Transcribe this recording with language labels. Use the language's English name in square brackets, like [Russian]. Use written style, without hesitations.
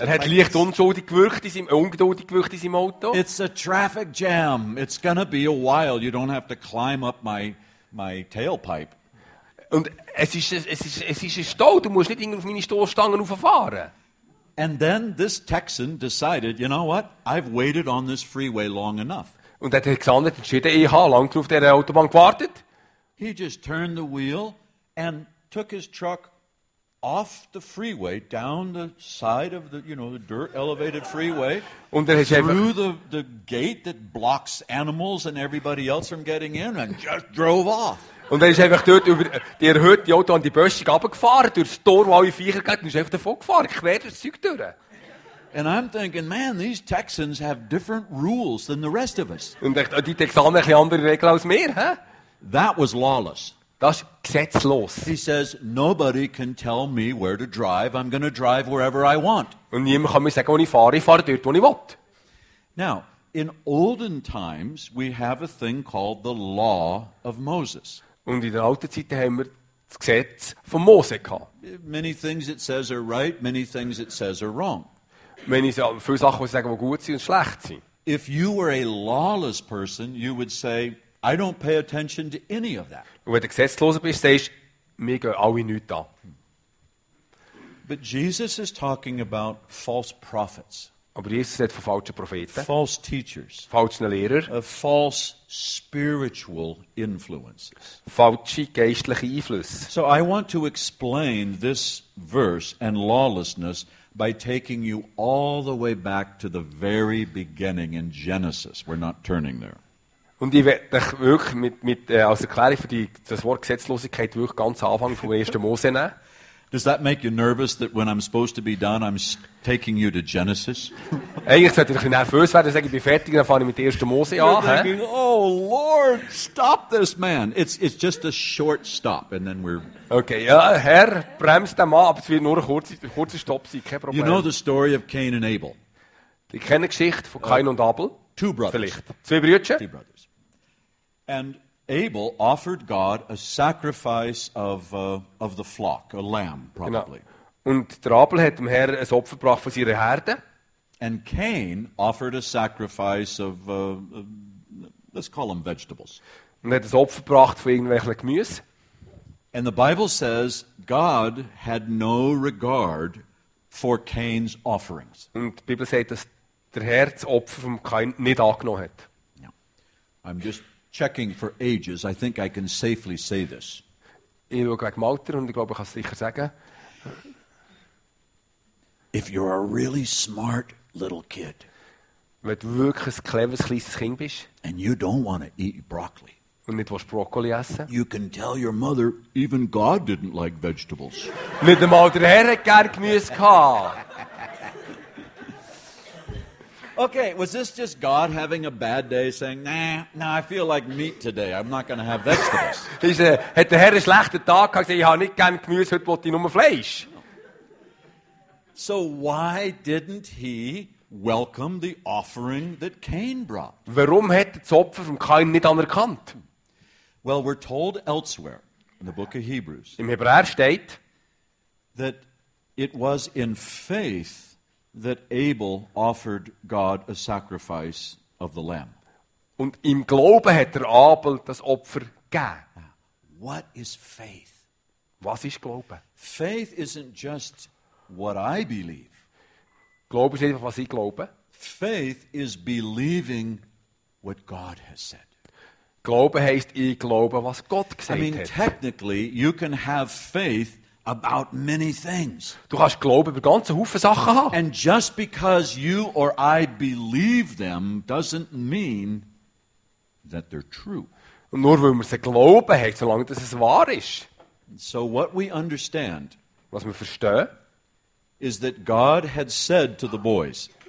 [German] Er hat leicht ungeduldig gewirkt in seinem Auto. [English] It's a traffic jam. It's gonna be a while. You don't have to climb up my tailpipe. [German] Und es ist ein Stau. Du musst nicht irgendwie auf meine Stoßstangen rauffahren. [English] And then this Texan decided, you know what? I've waited on this freeway long enough. [German] Und der Texaner hat entschieden, ich habe lange auf der Autobahn gewartet. [English] He just turned the wheel and took his truck off the freeway, down the side of the, you know, the dirt elevated freeway, [German] und dann [English] through [German] einfach [English] the gate that blocks animals and everybody else from getting in, and just drove off. [German] Und dann ist einfach dort über die erhöhte Auto an die Böschung runtergefahren, durch das Tor, wo alle Viecher gehen, und ist einfach davon gefahren, quer durch das Zeug durch. [English] And I'm thinking, man, these Texans have different rules than the rest of us. [German] Und ich dachte, die Texaner haben ein bisschen andere Regeln als wir, hä? [English] That was lawless. [German] Das gesetzlos. [English] He says, nobody can tell me where to drive. I'm going to drive wherever I want. [German] Und niemand kann mir sagen, wo ich fahre dort, wo ich will. [English] Now, in olden times, we have a thing called the law of Moses. [German] Und in der alten Zeit haben wir das Gesetz von Mose gehabt. [English] Many things it says are right, many things it says are wrong. [German] Viele Sachen, die sagen, die gut sind und schlecht sind. [English] If you were a lawless person, you would say, I don't pay attention to any of that. [German] Und wenn du gesetzloser bist, sagst du, mir gehen alle nichts an. [English] But Jesus is talking about false prophets. [German] Aber Jesus redet von falschen Propheten. [English] False teachers. [German] Falschen Lehrern. [English] Of false spiritual influences. [German] Falsche geistliche Einflüsse. [English] So I want to explain this verse and lawlessness by taking you all the way back to the very beginning in Genesis. We're not turning there. [German] Und ich werde dich wirklich mit als Erklärung für das Wort Gesetzlosigkeit wirklich ganz Anfang vom 1. Mose nehmen. [English] Does that make you nervous that when I'm supposed to be done, I'm taking you to Genesis? [German] Eigentlich sollte ich ein bisschen nervös werden, sage ich, bin fertig, dann fange ich mit 1. Mose an. [English] Thinking, oh Lord, stop this man. It's just a short stop and then we're... [German] Okay, ja, Herr, bremst den Mann, aber es wird nur ein kurzer Stopp sein, kein Problem. [English] You know the story of Cain and Abel? [German] Die Kennengeschichte von Cain und Abel? [English] Two brothers. [German] Vielleicht. Zwei Brüder? [English] Two brothers. And Abel offered God a sacrifice of the flock, a lamb, probably. [German] Genau. Und der Abel hat dem Herrn ein Opfer gebracht von seiner Herde. [English] And Cain offered a sacrifice of, let's call them vegetables. [German] Und hat ein Opfer gebracht von irgendwelchen Gemüse. [English] And the Bible says God had no regard for Cain's offerings. [German] Und die Bibel sagt, dass der Herr das Opfer von Cain nicht angenommen hat. [English] Yeah. I'm just checking for ages, I think I can safely say this. [German] Ich schaue wegen dem Alter und ich glaube, ich kann es sicher sagen. [English] If you're a really smart little kid, [German] wenn du wirklich ein cleveres kleines Kind bist [English] and you don't want to eat broccoli, [German] und nicht willst Brokkoli essen, [English] you can tell your mother, even God didn't like vegetables. [German] Nicht einmal der Herr hat gerne Gemüse gehabt. [English] Okay, was this just God having a bad day saying, nah, I feel like meat today. I'm not going to have vegetables. He said, [German] hat der Herr einen schlechten Tag gehabt, ich habe nicht gern Gemüse, heute wollte ich nur Fleisch. [English] So why didn't he welcome the offering that Cain brought? [German] Warum hat das Opfer von Cain nicht anerkannt? [English] Well, we're told elsewhere in the book of Hebrews. [German] Im Hebräer steht, [English] that it was in faith that Abel offered God a sacrifice of the lamb. [German] Und im Glauben hat der Abel das Opfer gegeben. [English] What is faith? [German] Was ist Glauben? [English] Faith isn't just what I believe. [German] Glauben ist einfach, was ich glaube. [English] Faith is believing what God has said. [German] Glauben heißt, ich glaube, was Gott gesagt hat. [English] I mean, technically, you can have faith about many things. [German] Du kannst Glauben über ganze Haufen Sachen haben. [English] And just because you or I believe them doesn't mean that they're true. [German] Und nur weil man sie glauben hat, solange dass es wahr ist. [English] So what we understand, [German] was wir verstehen, [English] is that God had said to the boys,